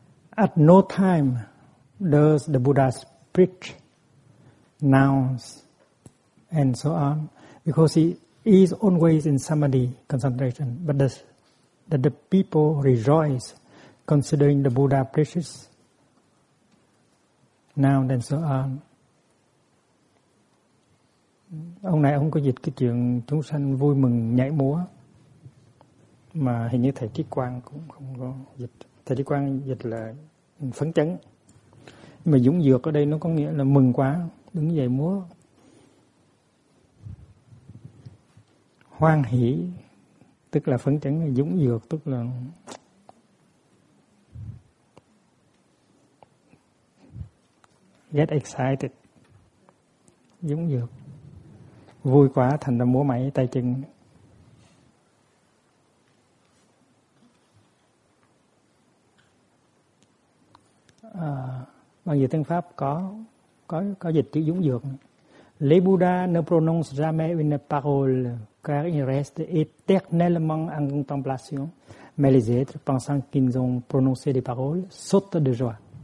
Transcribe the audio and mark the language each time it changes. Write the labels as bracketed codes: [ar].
[en] At no time does the Buddha preach, nouns, and so on, because he is always in samadhi concentration. But the people rejoice considering the Buddha preaches now and so on. [vi] Ông này ông có dịch cái chuyện chúng sanh vui mừng nhảy múa, mà hình như thầy Trí Quang cũng không có dịch. Thầy Trí Quang dịch là phấn chấn, nhưng mà dũng dược ở đây nó có nghĩa là mừng quá, đứng dậy múa. Hoan hỷ tức là phấn chấn, dũng dược tức là [en] get excited, [vi] dũng dược. vui quá thành ra múa máy tay chân. Bằng dịch tiếng Pháp có dịch chữ Dũng Dược. [fr] Le Buddha ne prononce jamais une parole car il reste éternellement en contemplation, mais les êtres pensant qu'ils ont prononcé des paroles sautent de joie.